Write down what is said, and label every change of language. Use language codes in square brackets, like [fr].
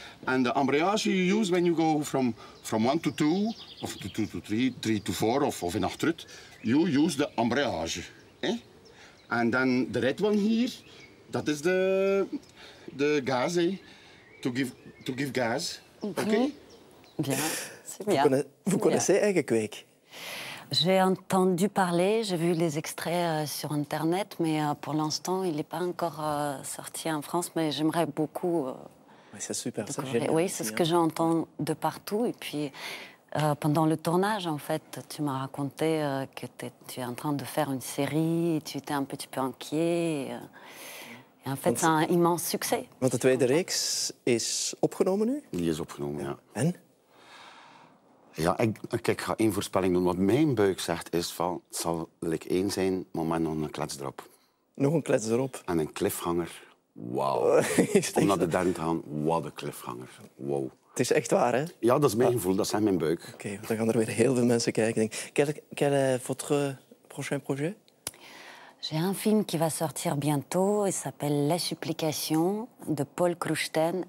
[en] And the embrayage you use when you go from 1 to 2, of 2 to 3, 3 to 4, [nl] of in achteruit, [en] you use the embrayage. Eh? And then the red one here, that is the gas, eh? To give gas. Okay? Mm-hmm. [fr] Bien, c'est bien. Vous connaissez Eigenkweek? J'ai entendu parler, j'ai vu les extraits sur Internet, mais pour l'instant, il n'est pas encore sorti en France, mais j'aimerais beaucoup... Ouais, c'est super, c'est génial. Oui, c'est ce que j'entends de partout. Et puis, pendant le tournage, en fait, tu m'as raconté que tu es en train de faire une série et tu étais un petit peu inquiet. Et en fait, c'est un immense succès. [nl] Want de tweede reeks is opgenomen nu? Die is opgenomen, ja. En? Ja, ik ga één voorspelling doen. Wat mijn buik zegt is van, het zal like één zijn, maar met nog een klets erop. Nog een klets erop? En een cliffhanger. Wauw. Om naar de derde te gaan, wat een cliffhanger. Wow. Het is echt waar, hè? Ja, dat is mijn gevoel, dat is mijn buik. Oké, okay, dan gaan er weer heel veel mensen kijken. [fr] Quel est votre prochain projet? J'ai un film qui va sortir bientôt, il s'appelle La Supplication de Paul Krugstein.